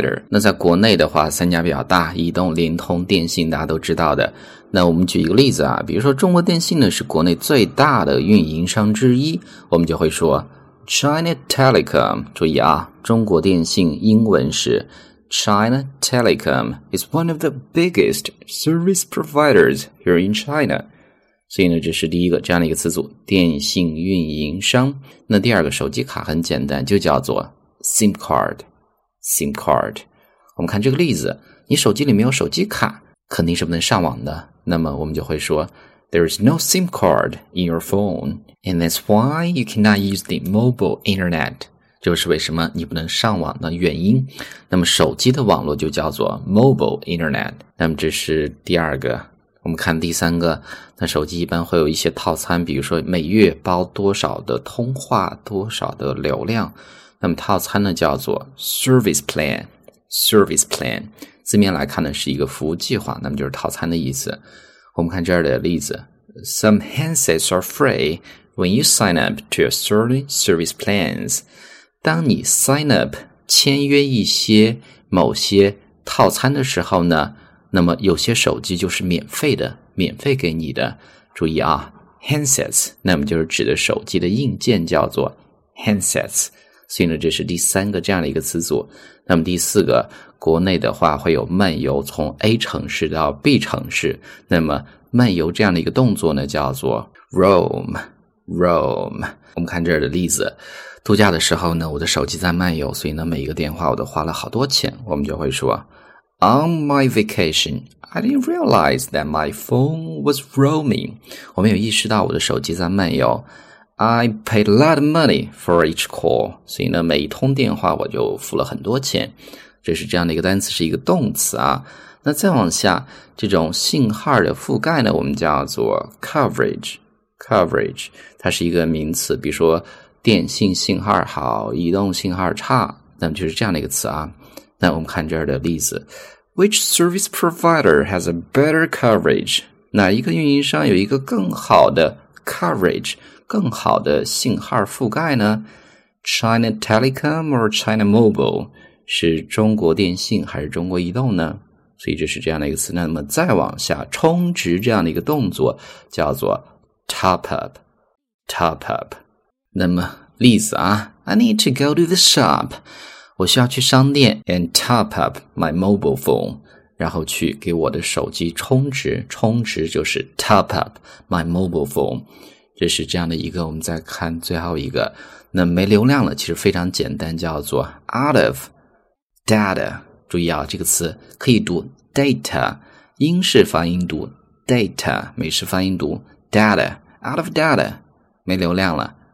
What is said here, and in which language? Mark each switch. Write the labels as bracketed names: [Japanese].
[Chinese] 那在国内的话三家比较大，移动、联通、电信，大家都知道的。那我们举一个例子啊，比如说中国电信呢是国内最大的运营商之一，我们就会说 China Telecom。注意啊，中国电信英文是 [English] China Telecom is one of the biggest service providers here in China. [Chinese] 所以呢，这是第一个这样的一个词组，电信运营商。那第二个手机卡很简单，就叫做 SIM card. [English] SIM card. [Chinese] 我们看这个例子，你手机里没有手机卡，肯定是不能上网的。那么我们就会说 [English] There is no SIM card in your phone, and that's why you cannot use the mobile internet. [Chinese] 就是为什么你不能上网的原因。那么手机的网络就叫做 mobile internet。那么这是第二个。我们看第三个，那手机一般会有一些套餐，比如说每月包多少的通话，多少的流量，那么套餐呢叫做 service plan。 service plan 字面来看呢是一个服务计划，那么就是套餐的意思。我们看这儿的例子， [English] Some handsets are free when you sign up to a certain service plans。 [Chinese] 当你 sign up 签约一些某些套餐的时候呢，那么有些手机就是免费的，免费给你的。注意啊， handsets 那么就是指的手机的硬件叫做 handsets。所以呢这是第三个这样的一个词组。那么第四个，国内的话会有漫游，从 A 城市到 B 城市，那么漫游这样的一个动作呢叫做 roam。我们看这儿的例子，度假的时候呢我的手机在漫游，所以呢每一个电话我都花了好多钱。我们就会说 [English] On my vacation, I didn't realize that my phone was roaming. [Chinese] 我没有意识到我的手机在漫游。 [English] I paid a lot of money for each call. [Chinese] 所以呢每一通电话我就付了很多钱。这是这样的一个单词，是一个动词啊。那再往下，这种信号的覆盖呢我们叫做 coverage。 coverage, 它是一个名词，比如说电信信号好，移动信号差，那么就是这样的一个词啊。那我们看这儿的例子， [English] Which service provider has a better coverage? [Chinese] 哪一个运营商有一个更好的 coverage, 更好的信号覆盖呢？ [English] China Telecom or China Mobile? [Chinese] 是中国电信还是中国移动呢？所以这是这样的一个词。那么再往下，充值这样的一个动作叫做 top up。那么例子啊， [English] I need to go to the shop. [Chinese] 我需要去商店 [English] and top up my mobile phone. [Chinese] 然后去给我的手机充值，充值就是 [English] top up my mobile phone. [Chinese] 这是这样的一个。我们再看最后一个，那没流量了其实非常简单，叫做 out of data. 注意啊，这个词可以读 data, 英式发音读 data, 美式发音读 data, out of data, 没流量了。